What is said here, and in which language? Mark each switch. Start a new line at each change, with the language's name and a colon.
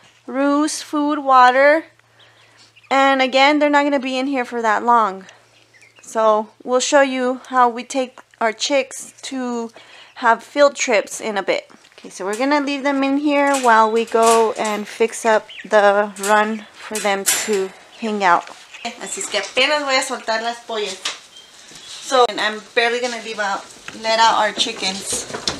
English: roost, food, water. And again, they're not going to be in here for that long. So we'll show you how we take our chicks to have field trips in a bit. Okay, so we're going to leave them in here while we go and fix up the run for them to hang out.
Spanish: Así es que apenas voy a soltar las pollas.
English: So, and I'm barely going to let out our chickens.